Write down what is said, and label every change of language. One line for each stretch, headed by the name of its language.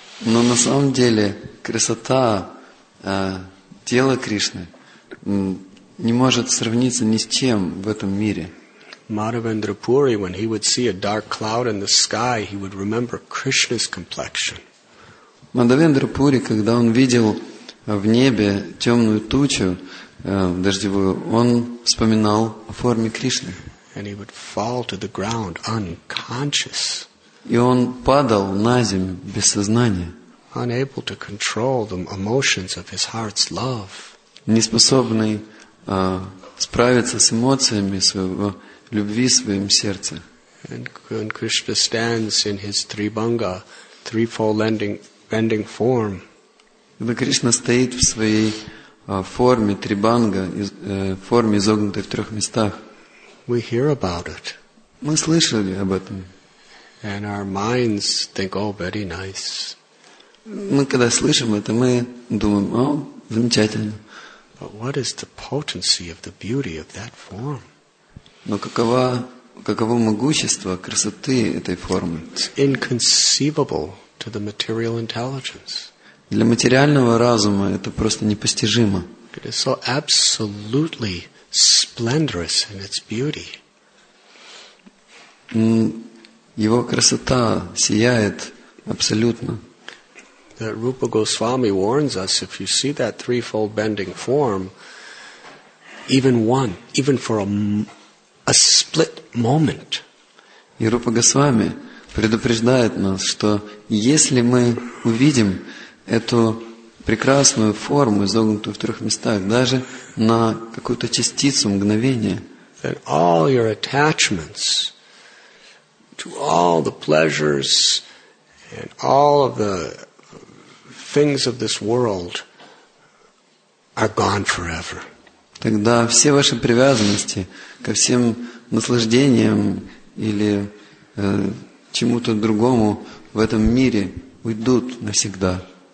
Russian: Но на самом деле красота тела Кришны не может сравниться ни с чем в этом мире.
English: Madhavendra Puri, when he would see a dark cloud in the sky, he would remember Krishna's complexion.
Russian: Madhavendra Puri, когда он видел в небе темную тучу дождевую, он вспоминал о форме Кришны.
English: And he would fall to the ground unconscious.
Russian: И он падал на землю без сознания.
English: Unable to control the emotions of his heart's love.
Russian: Неспособный справиться с эмоциями своего любви в своем сердце.
English: And when Krishna stands in his tribanga, threefold bending form.
Russian: Когда Кришна стоит в своей форме трибанга, форме изогнутой в трех местах.
English: We hear about it.
Russian: Мы слышали об этом.
English: And our minds think, oh, very nice.
Russian: Мы когда слышим это, мы думаем, о, замечательно.
English: But what is the potency of the beauty of that form?
Russian: Но каково могущество красоты этой формы?
English: It's inconceivable to the material intelligence.
Russian: Для материального разума это просто непостижимо.
English: It is so absolutely splendorous in its beauty.
Russian: Его красота сияет абсолютно.
English: That Rupa Goswami warns us, if you see that threefold bending form, even for a split moment.
Russian: И Рупа Госвами предупреждает нас, что если мы увидим эту прекрасную форму, изогнутую в трех местах, даже на какую-то частицу мгновения,
English: then all your attachments to all the pleasures and all of the things of this world are gone forever.
Russian: Тогда все ваши привязанности ко всем наслаждениям или чему-то другому в этом мире уйдут навсегда.